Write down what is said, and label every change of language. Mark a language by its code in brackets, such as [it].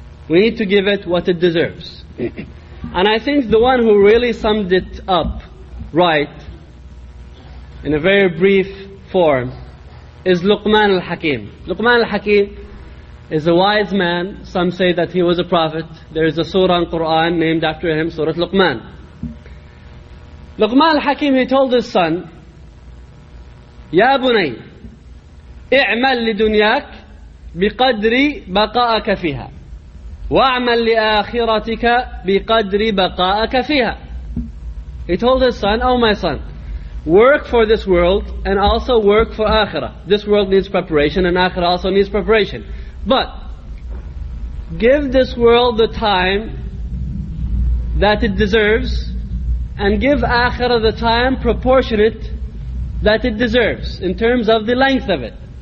[en] We need to give it what it deserves. And I think the one who really summed it up right, in a very brief form, is Luqman al-Hakim. Luqman al-Hakim is a wise man. Some say that he was a prophet. There is a surah in Quran named after him, Surah Luqman. Luqman al-Hakim, he told his son, Ya Bunay, [ar] اعمل لدنياك بقدر بقاءك فيها واعمل لآخرتك بقدر بقاءك فيها. [en] He told his son, Oh my son, work for this world and also work for Akhirah. This world needs preparation and Akhirah also needs preparation. But give this world the time that it deserves and give Akhirah the time proportionate that it deserves in terms of the length of it.